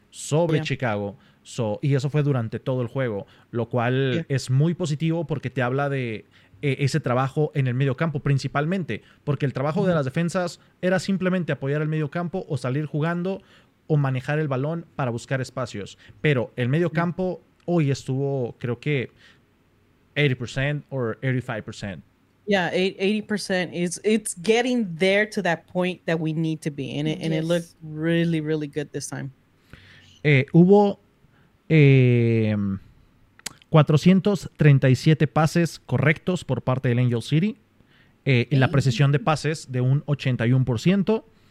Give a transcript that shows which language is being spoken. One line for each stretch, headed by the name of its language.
Spanish: sobre Chicago.
English: So,
Spanish: y eso fue durante todo el juego, lo cual es muy positivo porque te habla de ese trabajo en el medio campo principalmente, porque el trabajo de las defensas era simplemente apoyar el medio campo o salir jugando o manejar el balón para buscar espacios. Pero el medio campo hoy estuvo, creo que 80%
English: or
Spanish: 85%.
English: Yeah, 80% is it's getting there to that point that we need to be in it, and it looked really, really good this time.
Spanish: Hubo 437 pases correctos por parte del Angel City, y la precisión de pases de un 81%.